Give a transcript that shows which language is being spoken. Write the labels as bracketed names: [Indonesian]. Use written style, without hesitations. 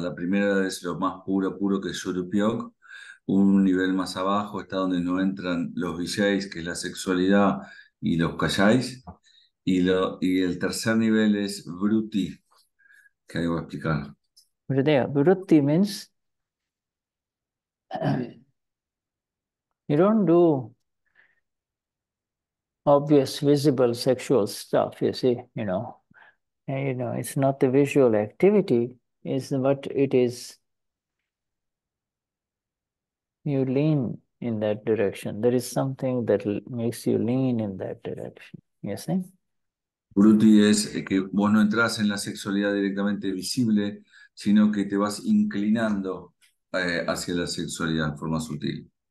[Spanish] La primera es lo más puro, puro que es Yurupiok. Un nivel más abajo está donde no entran los Vishais, que es la sexualidad, y los Kashais. Y el tercer nivel es Vruti, que ahí voy a explicar. [English] Vrutti means you don't do obvious visible sexual stuff, you see, and, it's not the visual activity, is what it is. You lean in that direction. There is something that makes you lean in that direction, you see. [Spanish] Bruti es que vos no entras en la sexualidad directamente visible, sino que te vas inclinando hacia la sexualidad en forma sutil.